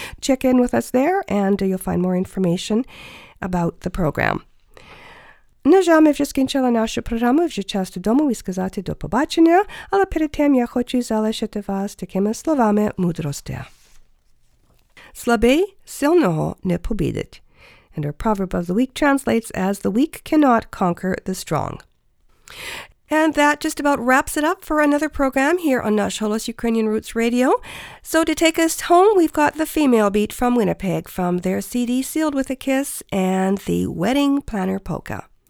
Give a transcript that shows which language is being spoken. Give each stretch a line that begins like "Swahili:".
English: Check in with us there, and you'll find more information about the program.
Ukrainian: На жаль, ми вже скінчили нашу програму, вже час додому і сказати до побачення, але перед тим я хочу залишити вас такими словами мудрості. Слабий сильного не побідить.
English: And our proverb of the week translates as the weak cannot conquer the strong. And that just about wraps it up for another program here on Nash Holos Ukrainian Roots Radio. So to take us home, we've got the female beat from Winnipeg from their CD Sealed with a Kiss and the Wedding Planner Polka.